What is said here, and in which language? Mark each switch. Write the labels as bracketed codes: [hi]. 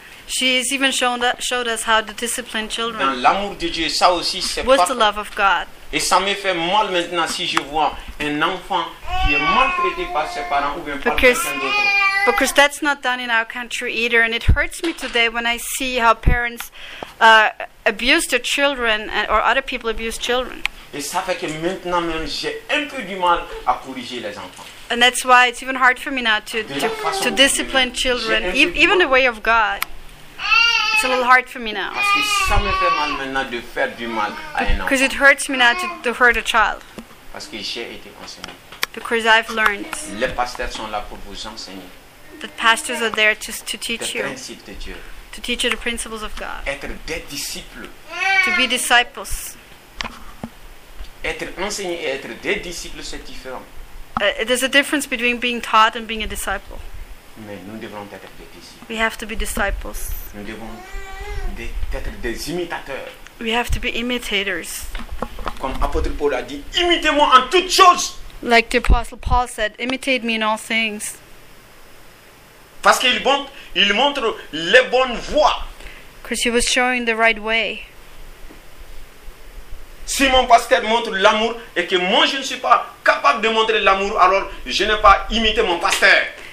[en] She has even showed us how to discipline children. [fr] Dans l'amour de Dieu, ça aussi, c'est [en] what's the love of God? [fr] Et ça me fait mal maintenant si je vois un enfant qui est maltraité par ses parents ou bien par quelqu'un d'autre. [en] Because that's not done in our country either, and it hurts me today when I see how parents abuse their children or other people abuse children. [fr] Et ça fait que maintenant même j'ai un peu du mal à corriger les enfants. [en] And that's why it's even hard for me now to discipline children, even the way of God. It's a little hard for me now. Because it hurts me now to hurt a child. [fr] Parce que j'ai été enseigné. [en] Because I've learned. [fr] Les pasteurs sont là pour vous enseigner. [en] The pastors are there to teach you. [fr] Principes de Dieu. [en] To teach you the principles of God. [fr] Être des disciples. [en] To be disciples. [fr] Être enseigné et être des disciples, c'est différent. [en] There's a difference between being taught and being a disciple. [fr] Mais nous devons être des disciples. [en] We have to be disciples. [fr] Nous devons être des imitateurs. [en] We have to be imitators. [fr] Comme l'apôtre Paul a dit, imitez-moi en toutes choses. [en] Like the apostle Paul said, imitate me in all things. [fr] Parce qu'il montre les bonnes voies. [en] Because he was showing the right way. [fr] Si mon pasteur montre l'amour et que moi je ne suis pas capable de montrer l'amour, alors je n'ai pas imité mon pasteur.